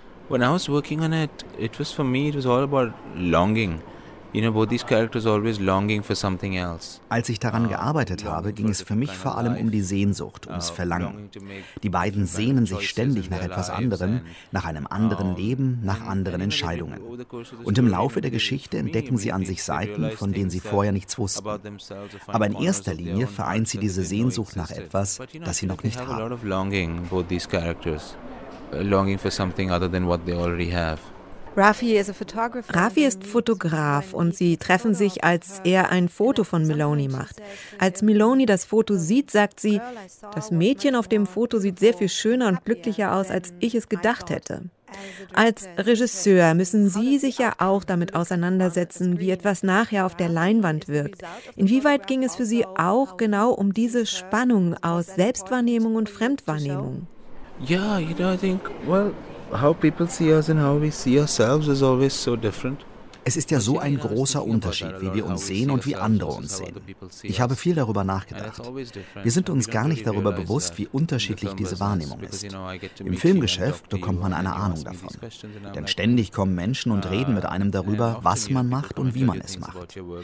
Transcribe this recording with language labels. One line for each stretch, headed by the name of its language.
English: When I was working on it, it was for me, it was all about longing.
German: Als ich daran gearbeitet habe, ging es für mich vor allem um die Sehnsucht, ums Verlangen. Die beiden sehnen sich ständig nach etwas anderem, nach einem anderen Leben, nach anderen Entscheidungen. Und im Laufe der Geschichte entdecken sie an sich Seiten, von denen sie vorher nichts wussten. Aber in erster Linie vereint sie diese Sehnsucht nach etwas, das sie noch nicht haben. Rafi ist Fotograf und sie treffen sich, als er ein Foto von Meloni macht. Als Meloni das Foto sieht, sagt sie, das Mädchen auf dem Foto sieht sehr viel schöner und glücklicher aus, als ich es gedacht hätte. Als Regisseur müssen Sie sich ja auch damit auseinandersetzen, wie etwas nachher auf der Leinwand wirkt. Inwieweit ging es für Sie auch genau um diese Spannung aus Selbstwahrnehmung und Fremdwahrnehmung?
English: Ja, you know, I think, well, how people see us and how we see ourselves is always so different.
German: Es ist ja so ein großer Unterschied, wie wir uns sehen und wie andere uns sehen. Ich habe viel darüber nachgedacht. Wir sind uns gar nicht darüber bewusst, wie unterschiedlich diese Wahrnehmung ist. Im Filmgeschäft bekommt man eine Ahnung davon. Denn ständig kommen Menschen und reden mit einem darüber, was man macht und wie man es macht.